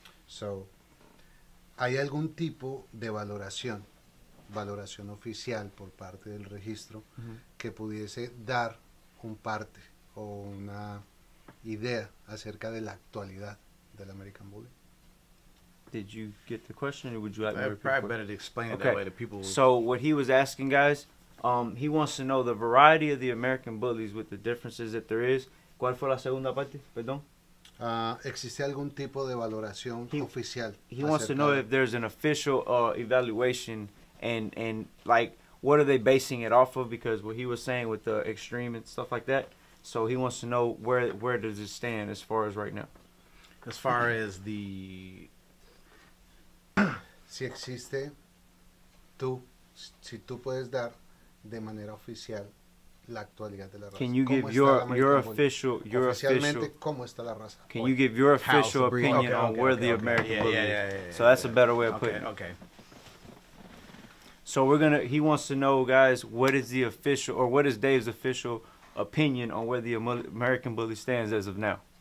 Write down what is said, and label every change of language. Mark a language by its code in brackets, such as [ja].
[es] So, ¿hay algún tipo de valoración oficial por parte del registro que pudiese dar un parte o una idea acerca de la actualidad del American Bully? [en] Did you get the question, or would you like me to repeat? Probably better to explain it okay. That way to people. So, what he was asking, guys, he wants to know the variety of the American Bullies with the differences that there is. [es] ¿Cuál fue la segunda parte? Perdón. ¿Existe algún tipo de valoración oficial? [en] He wants to know if there's an official evaluation and like what are they basing it off of, because what he was saying with the extreme and stuff like that. So he wants to know where does it stand as far as right now. As far as the... [es] Si existe, tú, si tú puedes dar de manera oficial... La actualidad de la raza. [en] Can you give your official your [es] oficialmente cómo está la raza? [en] Can you give your official opinion on where the American Bully is? Yeah. So that's yeah. a better way of putting okay. it. Okay. So we're gonna. He wants to know, guys, what is the official or what is Dave's official opinion on where the American Bully stands as of now?